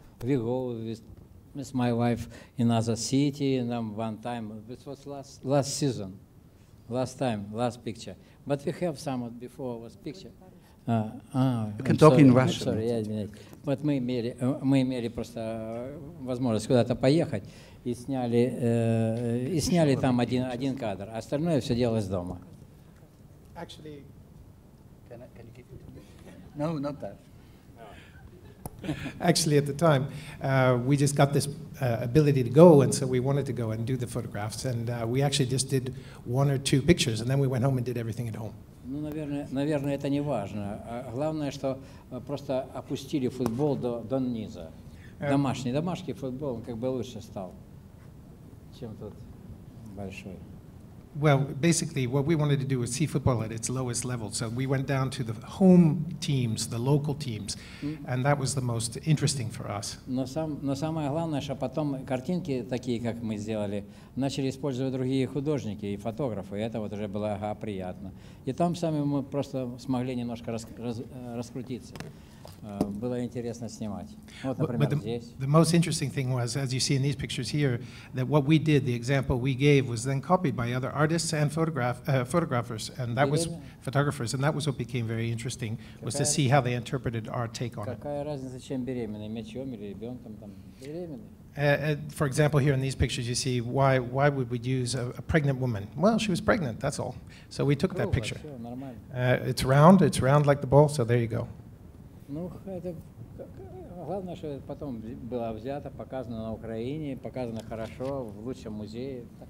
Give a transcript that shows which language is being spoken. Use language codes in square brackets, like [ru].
[en] We go with my wife in another city, and one time, this was last season, last picture. But we have some before was picture. You can talk in Russian. Sorry, but [ru] мы имели просто возможность куда-то поехать и сняли там один кадр. Остальное все делалось дома. [en] Actually, can you give it to me? No, not that. Actually, at the time, we just got this ability to go, and so we wanted to go and do the photographs, and we actually just did one or two pictures, and then we went home and did everything at home. [ru] Ну, наверное, это не важно. Главное, что просто опустили футбол до низа. Домашний футбол, он как бы лучше стал, чем тот большой. [en] Well, basically, what we wanted to do was see football at its lowest level. So we went down to the home teams, the local teams, and that was the most interesting for us. [ru] Но самое главное, что потом картинки такие, как мы сделали, начали использовать другие художники и фотографы, и это вот уже было приятно. И там сами мы просто смогли немножко раскрутиться. Было интересно снимать. Вот, например, здесь. [en] The most interesting thing was, as you see in these pictures here, that what we did, the example we gave, was then copied by other artists and photographers, and that was photographers, and that was what became very interesting, was to see how they interpreted our take on it. [ru] Какая разница, чем беременный, мячом или ребенком там? Беременный. [en] For example, here in these pictures, you see why would we use a pregnant woman? Well, she was pregnant, that's all. So we took that picture. It's round like the ball, so there you go. [ru] Ну, это главное, что потом было взято, показано на Украине, показано хорошо, в лучшем музее.